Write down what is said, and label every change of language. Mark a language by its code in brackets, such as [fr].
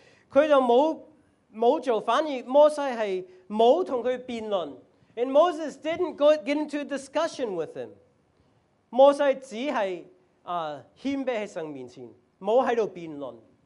[zh] 他就沒有做，反而摩西是沒有跟他辯論。 [en] And Moses didn't get into a discussion with him. [zh] 摩西只是謙卑在神面前，沒有在辯論。